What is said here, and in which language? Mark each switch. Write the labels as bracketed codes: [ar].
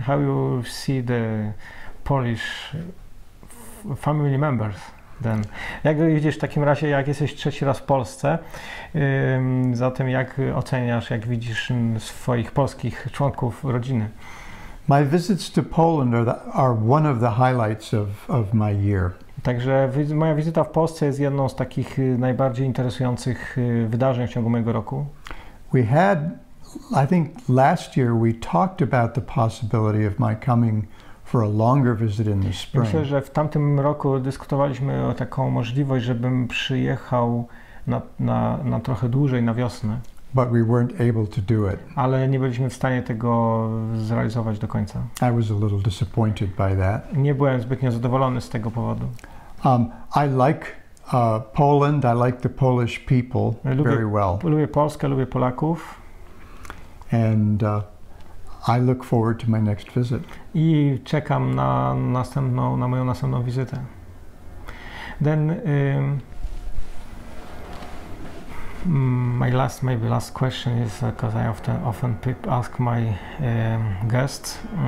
[en] How you see the Polish family members then? [pl] Jak widzisz w takim razie, jak jesteś trzeci raz w Polsce, zatem jak oceniasz, jak widzisz swoich polskich członków rodziny? [en] My visits to Poland are one of the highlights of my year. [pl] Także moja wizyta w Polsce jest jedną z takich najbardziej interesujących wydarzeń w ciągu mojego roku. [en] We had, I think last year we talked about the possibility of my coming for a longer visit in the spring. [pl] Myślę, że w tamtym roku dyskutowaliśmy o taką możliwość, żebym przyjechał na trochę dłużej, na wiosnę. [en] But we weren't able to do it. [pl] Ale nie byliśmy w stanie tego zrealizować do końca. [en] I was a little disappointed by that. [pl] Nie byłem zbytnio zadowolony z tego powodu. [en] I like Poland, I like the Polish people very well. [pl] Lubię Polskę, lubię Polaków. [en] And I look forward to my next visit. [pl] I czekam na moją następną wizytę. [en] Then my last, maybe last question is because I often ask my guests.